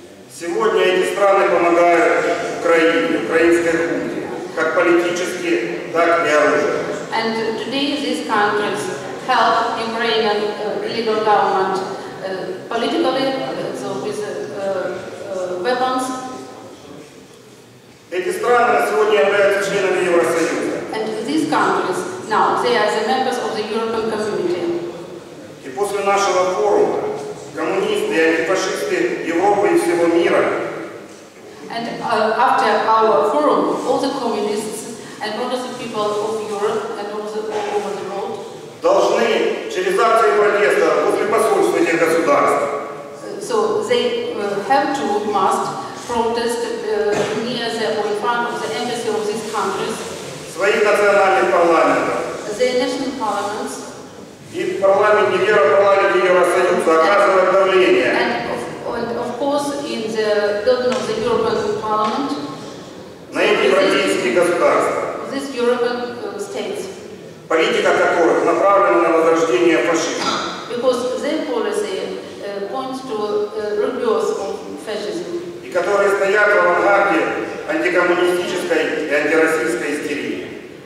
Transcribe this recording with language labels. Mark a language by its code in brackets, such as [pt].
[ru] Сегодня эти страны помогают Украине, украинской хунте, как политически, так и оружием. [en] And today these countries help Ukrainian illegal government politically, so with weapons. [ru] Эти страны сегодня являются членами Евросоюза. [en] And these countries now they are the members of the European Community. [ru] И после нашего форума коммунисты и антифашисты Европы и всего мира. [en] And after our forum, all the communists and progressive people of Europe and also all over the world [ru] должны через акции протеста после посольства этих государств. [en] So they have to must protest near the or in front of the embassy of these countries. [ru] Своих национальных парламентов. [en] The national parliaments. [ru] И в парламенте Европарламента Евросоюза оказывает давление. [en] And of course in the building of the European Parliament. [ru] На европейские государства. [en] This European states. [ru] Политика которых направлена на возрождение фашизма. [en] Because their policy points to rebirth of fascism. [ru] И которые стоят в авангарде антикоммунистической и антироссийской истерии.